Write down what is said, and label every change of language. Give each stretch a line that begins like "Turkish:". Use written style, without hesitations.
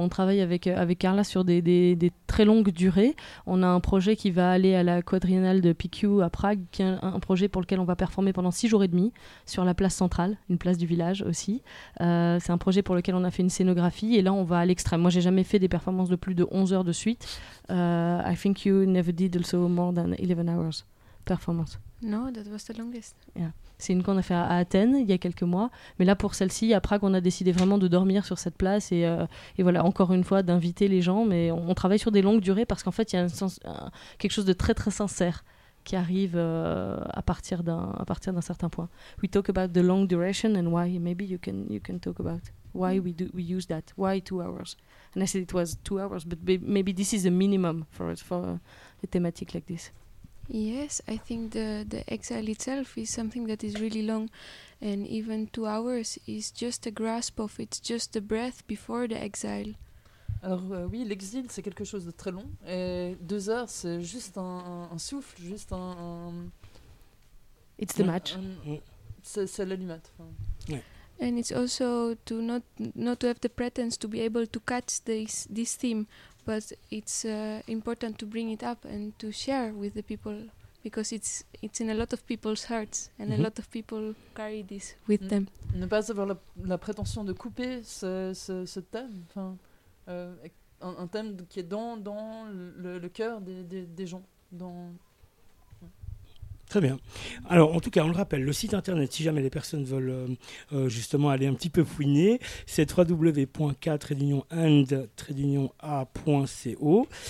French: On travaille avec Carla sur des très longues durées. On a un projet qui va aller à la quadriennale de PQ à Prague, qui est un projet pour lequel on va performer pendant 6 jours et demi sur la place centrale, une place du village aussi. C'est un projet pour lequel on a fait une scénographie, et là on va à l'extrême. Moi, j'ai jamais fait des performances de plus de 11 heures de suite.
English: I think you never did also more than 11 hours performance. No, that was the longest. Yeah.
French: C'est une qu'on a fait à Athènes il y a quelques mois. Mais là, pour celle-ci, à Prague, on a décidé vraiment de dormir sur cette place. Et voilà, encore une fois, d'inviter les gens. Mais on travaille sur des longues durées, parce qu'en fait, il y a quelque chose de très, très sincère qui arrive à partir d'un certain point.
English: We talk about the long duration and why. Maybe you can talk about why we use that. Why 2 hours? And I said it was 2 hours, but maybe this is the minimum for a thematic like this. Yes, I think the exile itself is something that is really long, and even 2 hours is just a grasp of it, just the breath before the exile.
French: Alors oui, l'exil, c'est quelque chose de très long. Et 2 heures, c'est juste un souffle, juste un...
English: It's the match.
French: C'est l'allumette. Oui.
English: And it's also to not to have the pretense to be able to catch this theme, but it's important to bring it up and to share with the people, because it's in a lot of people's hearts and mm-hmm. a lot of people carry this with them.
French: Ne pas avoir la prétention de couper ce thème, enfin un thème qui est dans le cœur des gens. Dans Très bien. Alors, en tout cas, on le rappelle, le site internet, si jamais les personnes veulent justement aller un petit peu fouiner, c'est www.k-and-a.co.